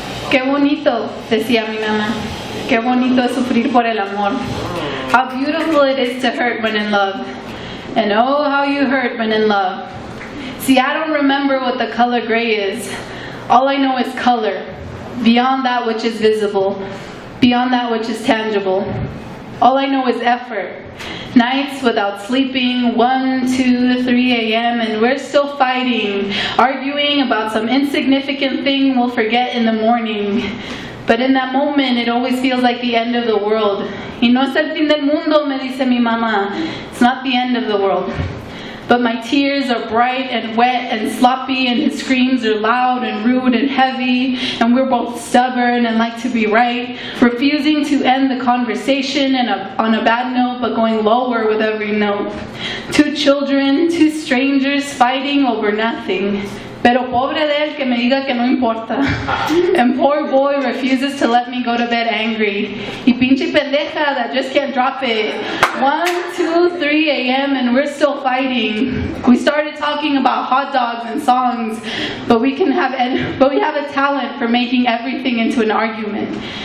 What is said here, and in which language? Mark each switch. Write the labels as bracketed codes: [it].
[es] ¡Qué bonito!, decía mi mamá. ¡Qué bonito es sufrir por el amor! [en] How beautiful it is to hurt when in love. And oh, how you hurt when in love. See, I don't remember what the color gray is. All I know is color, beyond that which is visible, beyond that which is tangible. All I know is effort. Nights without sleeping, 1, 2, 3 a.m., and we're still fighting, arguing about some insignificant thing we'll forget in the morning. But in that moment, it always feels like the end of the world. [es] Y no es el fin del mundo, me dice mi mamá. [en] It's not the end of the world. But my tears are bright and wet and sloppy, and his screams are loud and rude and heavy, and we're both stubborn and like to be right, refusing to end the conversation on a bad note, but going lower with every note. Two children, two strangers fighting over nothing. [es] Pero pobre de él que me diga que no importa. [en] And poor boy refuses to let me go to bed angry. [es] Y pinche pendeja [en] that just can't drop it. 1, 2, 3 a.m. and we're still fighting. We started talking about hot dogs and songs, but we have a talent for making everything into an argument.